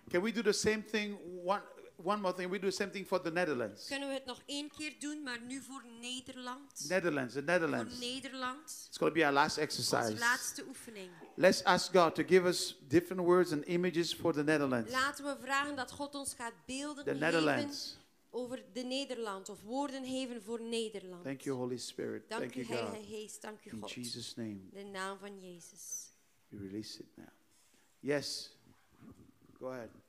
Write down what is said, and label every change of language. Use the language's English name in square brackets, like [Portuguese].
[English] Can we do the same thing, one more thing, we do the same thing for the Netherlands. [Dutch] Kunnen we het nog één keer doen, maar nu voor Nederland? [English] The Netherlands. [Dutch] Voor Nederland. [English] It's going to be our last exercise. [Dutch] Onze laatste oefening. [English] Let's ask God to give us different words and images for the Netherlands. [Dutch] Laten we vragen dat God ons gaat beelden the Netherlands. Over de Nederland of woorden geven voor Nederland. [English] Thank you, Holy Spirit. [Dutch] Dank u, Heilige Geest. Dank u, God. [English] In Jesus' name. [Dutch] De naam van Jezus. [English] We release it now. Yes. Go ahead.